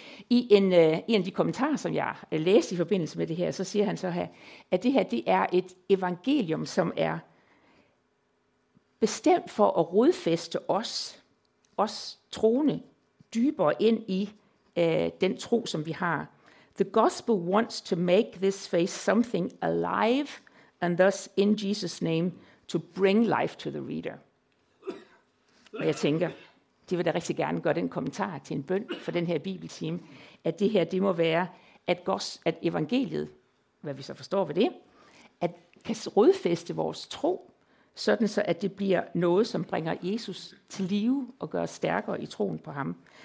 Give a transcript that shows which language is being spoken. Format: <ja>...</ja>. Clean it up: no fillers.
<da>I en af de kommentarer, som jeg læste i forbindelse med det her, så siger han så her, at det her, det er et evangelium, som er bestemt for at rodfeste os troende, dybere ind i den tro, som vi har.</da> <en>The gospel wants to make this faith something alive, and thus, in Jesus' name, to bring life to the reader.</en> <da>Og jeg tænker, det vil da rigtig gerne gøre den kommentar til en bøn for den her bibeltime, at det her, det må være, at evangeliet, hvad vi så forstår ved det, at kan rodfeste vores tro, sådan så, at det bliver noget, som bringer Jesus til live og gør os stærkere i troen på ham.</da>